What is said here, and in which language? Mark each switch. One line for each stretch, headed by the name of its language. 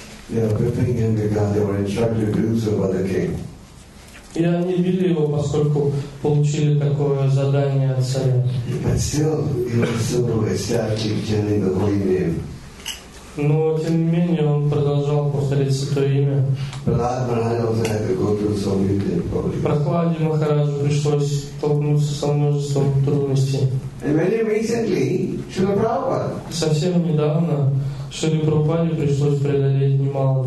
English: Yeah, whipping him because they were instructed to do so by the king.
Russian: И они били его, поскольку получили такое задание от царя.
English: But still, he was still establishing chanting the holy name.
Russian: Но тем не менее он продолжал повторять святое имя.
English: Prahlad Maharaj also had to go through so many difficulties.
Russian: Прохладе Махараджу пришлось столкнуться со множеством трудностей.
English: And very recently, Srila Prabhupada.
Russian: Совсем недавно Шри Прабхупаде пришлось преодолеть немало